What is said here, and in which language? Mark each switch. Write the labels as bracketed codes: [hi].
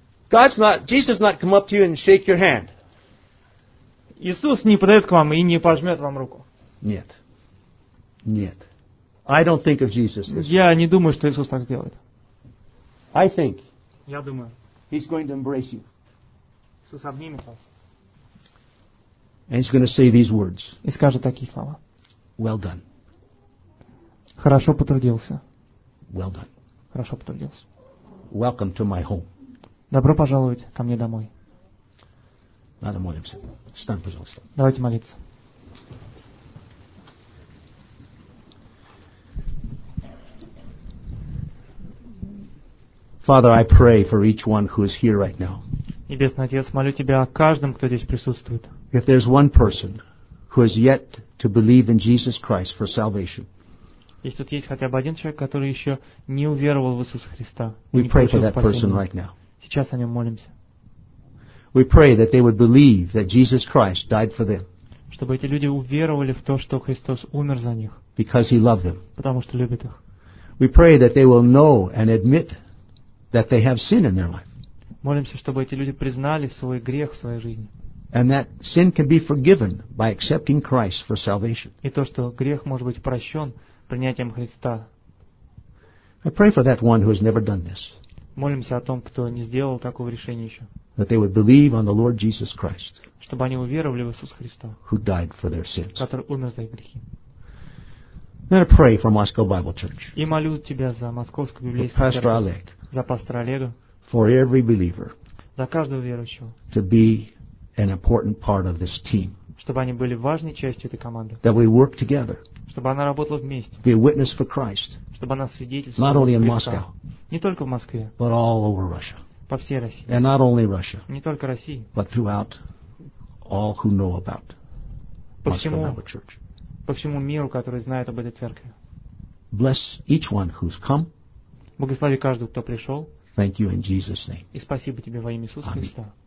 [en] God's not, Jesus not come up to you and shake your hand. [ru] Иисус не подойдет к вам и не пожмет вам руку. Нет. Нет. [en] I don't think of Jesus this [ru] Я не думаю, что Иисус так сделает. [en] I think. [ru] Я думаю. [en] He's going to embrace you. [ru] Иисус обнимет вас. [en] And he's going to say these words. [ru] И скажет такие слова. [en] Well done. [ru] Хорошо потрудился. [en] Well done. [ru] Хорошо потрудился. [en] Welcome to my home. [ru] Добро пожаловать ко мне домой. Надо молимся. Встань, пожалуйста. Давайте молиться. [en] Father, I pray for each one who is here right now. [ru] Небесный Отец, молю Тебя о каждом, кто здесь присутствует. [en] If there's one person who has yet to believe in Jesus Christ for salvation, [ru] если тут есть хотя бы один человек, который еще не уверовал в Иисуса Христа, [en] we pray for that person right now. [ru] Сейчас о нем молимся. [en] We pray that they would believe that Jesus Christ died for them. [ru] Чтобы эти люди уверовали в то, что Христос умер за них. [en] Because He loved them. [ru] Потому что любит их. [en] We pray that they will know and admit that they have sin in their life. [ru] Молимся, чтобы эти люди признали свой грех в своей жизни. [en] And that sin can be forgiven by accepting Christ for salvation. [ru] И то, что грех может быть прощен принятием Христа. [en] I pray for that one who has never done this. [ru] Молимся о том, кто не сделал такого решения еще. [en] That they would believe on the Lord Jesus Christ. [ru] Чтобы они уверовали в Иисуса Христа. [en] Who died for their sins. [ru] Который умер за их грехи. [en] Then I pray for Moscow Bible Church. [ru] И молю тебя за Московскую библейскую церковь. [en] Pastor Oleg. [ru] За пастора Олега. [en] For every believer. [ru] За каждого верующего. [en] To be an important part of this team. [ru] Чтобы они были важной частью этой команды. [en] That we work together. [ru] Чтобы она работала вместе. [en] Be a witness for Christ. [ru] Чтобы она свидетельствовала Христа. [en] Not only in Moscow. [ru] Не только в Москве. [en] But all over Russia. [ru] По всей России. [en] And not only Russia. [ru] Не только России. [en] But throughout all who know about Moscow Bible Church. [ru] По всему миру, который знает об этой церкви. [en] Bless each one who's come. [ru] Благослови каждого, кто пришел. [en] Thank you in Jesus' name. [ru] И спасибо тебе во имя Иисуса Христа.